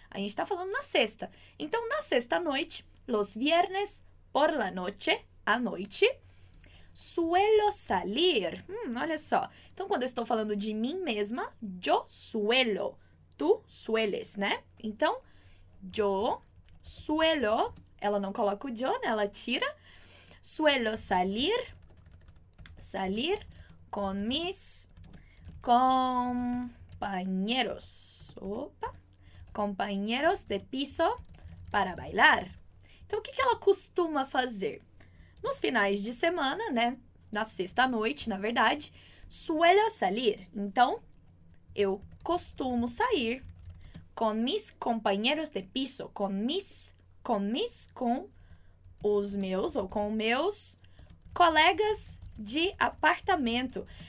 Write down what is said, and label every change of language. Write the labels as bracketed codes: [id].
[pt] A gente tá falando na sexta. Então, na sexta-noite, [es] los viernes, por la noche, [pt] à noite, [es] suelo salir. [pt] Olha só. Então, quando eu estou falando de mim mesma, [es] yo suelo, tu sueles, [pt] né? Então, [es] yo suelo, [pt] ela não coloca o yo, né? Ela tira. [es] Suelo salir, salir con mis compañeros. Opa. Compañeros de piso para bailar. [pt] Então, o que ela costuma fazer? Nos finais de semana, né? Na sexta-noite, na verdade. [es] Suelo salir. [pt] Então, eu costumo sair com [es] mis compañeros de piso. [pt] Com mis, com os meus ou com meus colegas de apartamento.